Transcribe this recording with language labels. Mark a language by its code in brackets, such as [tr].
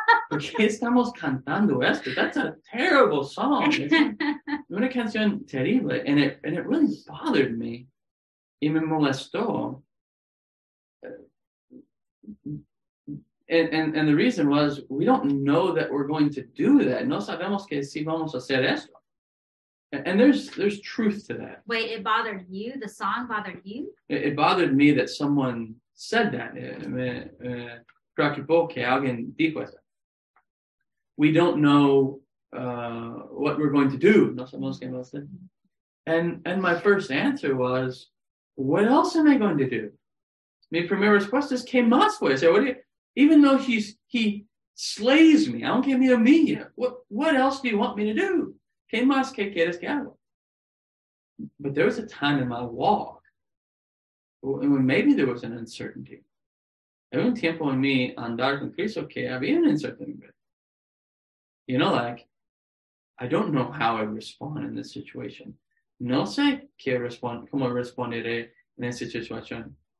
[es] ¿Por qué estamos cantando esto? [en] That's a terrible song. [es] Una canción terrible. [en] And it really bothered me. [es] Y me molestó. [en] And the reason was, we don't know that we're going to do that. [es] No sabemos que si vamos a hacer esto. [en] And there's truth to that. Wait, it bothered you? The song bothered you? It bothered me that someone said that. [es] Me preocupó que alguien dijo eso. [en] We don't know what we're going to do. [es] No sabemos qué vamos a hacer. [en] And my first answer was, what else am I going to do? [es] Mi primera respuesta es, ¿qué más voy a hacer? [en] Even though he slays me, [es] aunque me humille, [en] what else do you want me to do? [es] ¿Qué más que quieres que haga? [en] But there was a time in my walk when maybe there was an uncertainty. [es] Había un tiempo en mi andar con Cristo que había una incertidumbre. [en] You know, like, I don't know how I respond in this situation. [es] No sé qué respond, cómo responderé en esa situación.